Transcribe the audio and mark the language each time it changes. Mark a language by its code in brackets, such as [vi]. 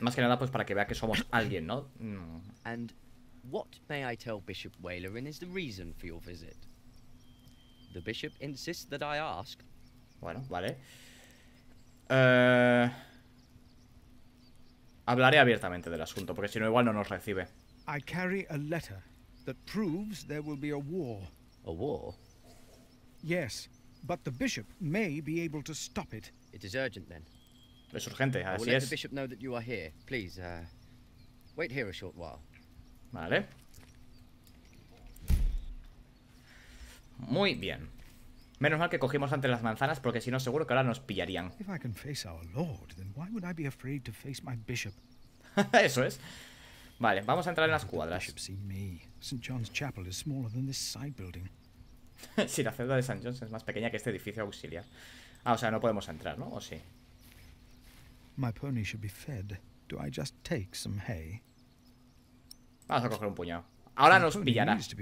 [es] Más que nada, pues para que vea que somos alguien, ¿no? [en] And what may I tell Bishop Waylerin is the reason for your visit? The bishop insists that I ask. [es] Bueno, vale. Hablaré abiertamente del asunto, porque si no igual no nos recibe. [en] I carry a letter that proves there will be a war. A war? Yes, but the bishop may be able to stop it. It is urgent then. [es] Es urgente, así es. [en] Let the bishop know that you are here. Please, wait here a short while. Vale. [es] Muy bien. Menos mal que cogimos antes las manzanas, porque si no seguro que ahora nos pillarían. [en] If I can face our lord, then why would I be afraid to face my bishop? [es] Eso es. Vale, vamos a entrar en las cuadras. [en] St. John's Chapel is smaller than this side building. [es] Sí, la celda de St. John's es más pequeña que este edificio auxiliar. Ah, o sea, no podemos entrar, ¿no? ¿O sí? [en] My pony should be fed. Do I just take some hay? [es] Vamos a coger un puñado. Ahora nos pillará.